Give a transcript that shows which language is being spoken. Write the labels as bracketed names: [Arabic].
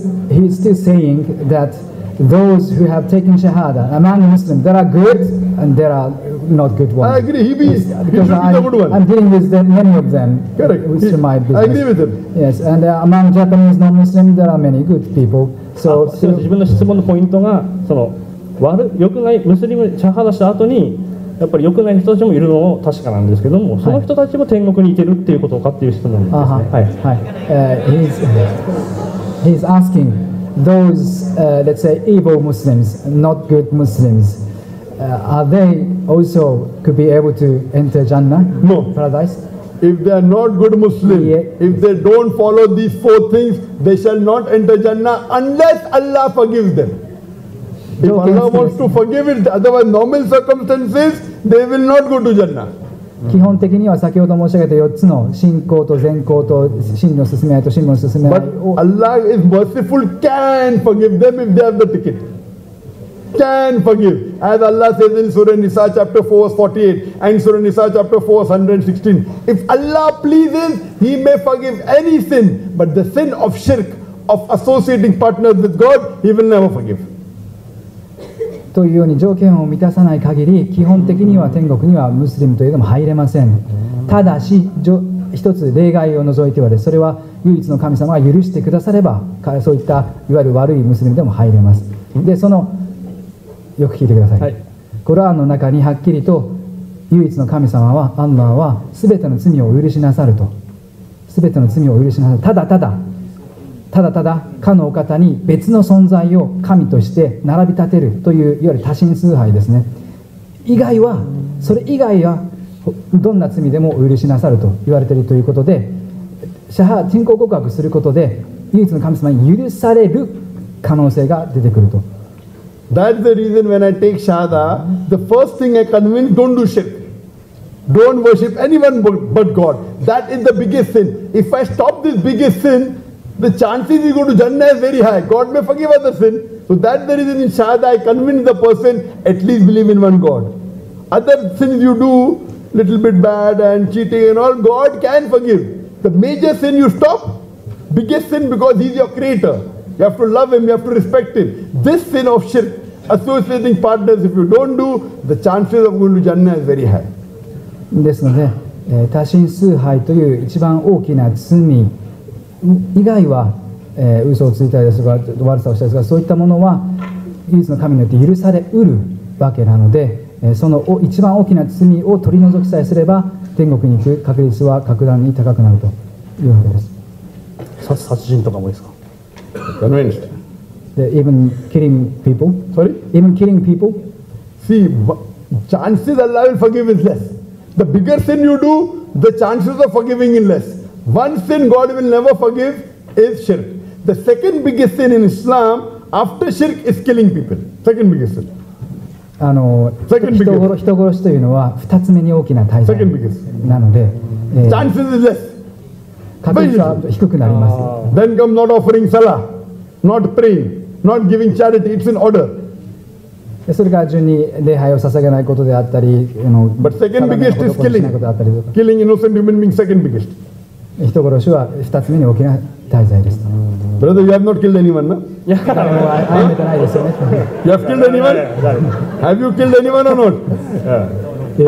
[English] He's still saying that those who have taken shahada among Muslims, there are good and there are not good ones. I agree, he should be the good one. I'm dealing with them, many of them. Correct. My business. I agree with him. Yes, and among Japanese non-Muslims, there are many good people. So, [Japanese] 自分の質問のポイントが、その良くないムスリムシャハダした後にやっぱり良くない人たちもいるのも確かなんですけども、その人たちも天国に行けるっていうことかっていう質問ですね。はい、はい、 [English] He's asking those、let's say evil Muslims, not good Muslims、are they also could be able to enter Jannah? No. Paradise? If they are not good Muslim, if they don't follow these four things, they shall not enter Jannah unless Allah forgives them. If Allah wants to forgive it, otherwise normal circumstances, they will not go to Jannah. [Japanese] 基本的には先ほど申し上げた4つの信仰と善行と真理の進め合いと真理の進め合い。 [English] But Allah is merciful, can forgive them if they have the ticket. can forgive. As Allah says in Surah Nisa chapter 4 verse 48 and Surah Nisa chapter 4 verse 116. If Allah pleases, He may forgive any sin, but the sin of shirk, of associating partners with God, He will never forgive. [Japanese] というように条件を満たさない限り基本的には天国にはムスリムというのも入れません。ただし一つ例外を除いてはです、それは唯一の神様が許してくだされば、そういったいわゆる悪いムスリムでも入れます。でそのよく聞いてください、はい、コラーンの中にはっきりと唯一の神様はアンナーは全ての罪をお許しなさると、全ての罪をお許しなさる、ただただただただかのお方に別の存在を神として並び立てるといういわゆる多神崇拝ですね、以外はそれ以外はどんな罪でもお許しなさると言われているということで、シャハ信仰告白することで唯一の神様に許される可能性が出てくると。 [English] That's the reason when I take Shahada, the first thing I convince, don't do shirk. Don't worship anyone but God. That is the biggest sin. If I stop this biggest sin,the chances you go to Jannah is very high. God may forgive other sin. So that's the reason in Shahada I convince the person at least believe in one God. Other sins you do, little bit bad and cheating and all, God can forgive. The major sin you stop, biggest sin, because He's your creator. You have to love Him, you have to respect Him. This sin of shirk, associating partners, if you don't do, the chances of going to Jannah is very high. [Japanese] ですので、多神崇拝という一番大きな罪以外は、嘘をついたりですとかちょっと悪さをしたりとか、そういったものは唯一の神によって許されうるわけなので、その一番大きな罪を取り除きさえすれば天国に行く確率は格段に高くなるというわけです。殺人とかもですか？ [English] Even killing people? Sorry? Even killing people? See, chances Allah will forgive is less. The bigger sin you do, the chances of forgiving is less. One sin God will never forgive is shirk. The second biggest sin in Islam after shirk is killing people. Second biggest sin. Second biggest. [Japanese] 人殺しというのは二つ目に大きな大罪。 [English] Second biggest. [Japanese] なので、 [English] chances is less. [Japanese] 確率は低くなります。 [English] Then come not offering salah, not praying, not giving charity. It's in order. [Japanese] それから順に礼拝を捧げないことであったり、 [English] But second biggest is killing. Killing innocent human beings. Second biggest. [Japanese] 人殺しは二つ目に大きな大罪です。 [English] Brother, you have not killed anyone, no? Yeah, I have not killed anyone. You have killed anyone? Have you killed anyone or not? Yeah.